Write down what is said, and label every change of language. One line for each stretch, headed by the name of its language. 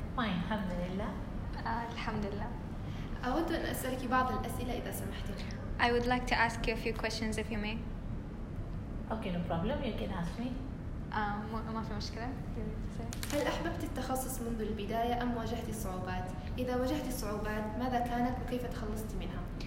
English: Fine,
Arabic: الحمد لله. الحمد لله. أود أن أسألك بعض الأسئلة إذا سمحتي.
English: I would like to ask you a few questions if you may. Okay, no problem, you can ask me.
Arabic: ما في مشكلة. هل أحببت التخصص منذ البداية أم واجهتي صعوبات؟ إذا واجهتي صعوبات ماذا كانت وكيف تخلصتي منها؟